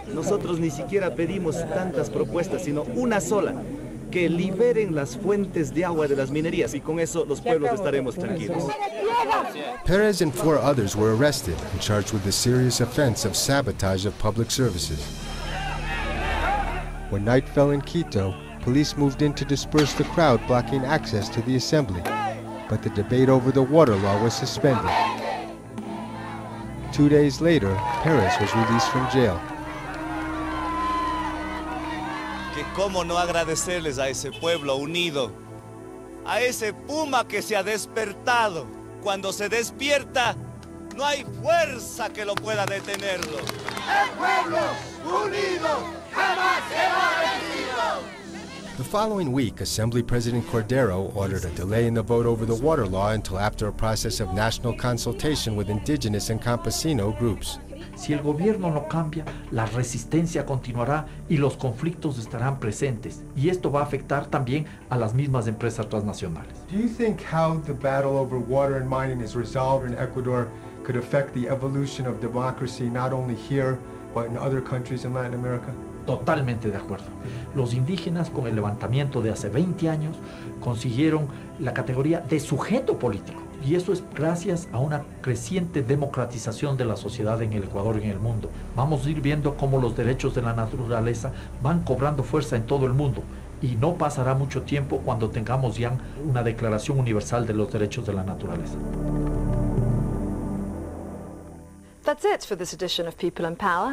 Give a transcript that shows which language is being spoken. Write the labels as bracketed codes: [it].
[es] Nosotros ni siquiera pedimos tantas propuestas, sino una sola, que liberen las fuentes de agua de las minerías, y con eso los pueblos estaremos tranquilos. [en] Perez and 4 others were arrested and charged with the serious offense of sabotage of public services. When night fell in Quito, police moved in to disperse the crowd blocking access to the assembly. But the debate over the water law was suspended. 2 days later, Perez was released from jail. [es] Que cómo no agradecerles a ese pueblo unido, a ese puma que se ha despertado. Cuando se despierta, no hay fuerza que lo pueda detenerlo. El pueblo unido jamás será vencido. [en] The following week, Assembly President Cordero ordered a delay in the vote over the water law until after a process of national consultation with indigenous and campesino groups. [es] Si el gobierno no cambia, la resistencia continuará y los conflictos estarán presentes. Y esto va a afectar también a las mismas empresas transnacionales. [en] Do you think how the battle over water and mining is resolved in Ecuador could affect the evolution of democracy not only here but in other countries in Latin America? [es] Totalmente de acuerdo. Los indígenas, con el levantamiento de hace 20 años, consiguieron la categoría de sujeto político. Y eso es gracias a una creciente democratización de la sociedad en el Ecuador y en el mundo. Vamos a ir viendo cómo los derechos de la naturaleza van cobrando fuerza en todo el mundo. Y no pasará mucho tiempo cuando tengamos ya una Declaración Universal de los Derechos de la Naturaleza. [en] That's it for this edition of People in Power.